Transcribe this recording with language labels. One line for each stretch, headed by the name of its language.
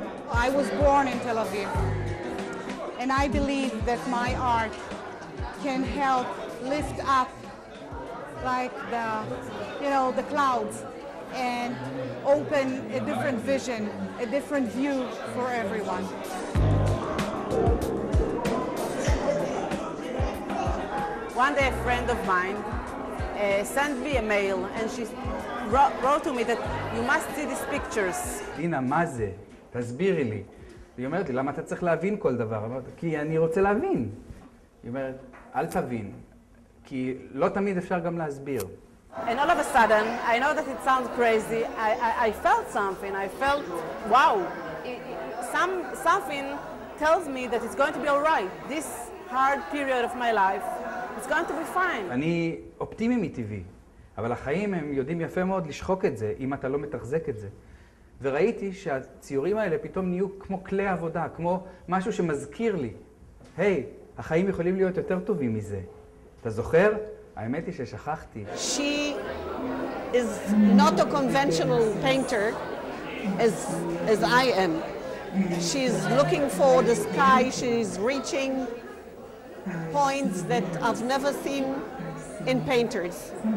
English: I was born in Tel Aviv, and I believe that my art can help lift up like the, you know, the clouds and open a different vision, a different view for everyone. One day a friend of mine sent me a mail and she wrote to me that you must see these pictures.
Hebrew: Lina, מה זה? תסבירי לי. היא אומרת לי, למה אתה צריך להבין כל דבר? אמרת, כי אני רוצה להבין. היא אומרת, אל תבין, כי לא תמיד אפשר גם להסביר.
English: And all of a sudden, I know that it sounds crazy, I felt something, I felt, wow, something tells me that it's going to be all right. This hard period of my life, it's going to be fine.
Hebrew: אני אופטימי מטבעי, אבל החיים הם יודעים יפה מאוד לשחוק את זה, אם אתה לא מתחזק את זה. וראיתי שהציורים האלה פתאום נהיו כמו כלי עבודה, כמו משהו שמזכיר לי. היי, החיים יכולים להיות יותר טובים מזה. אתה זוכר? האמת היא ששכחתי.
English: She is not a conventional painter as I am. She's looking for the sky, she's reaching points that I've never seen in painters.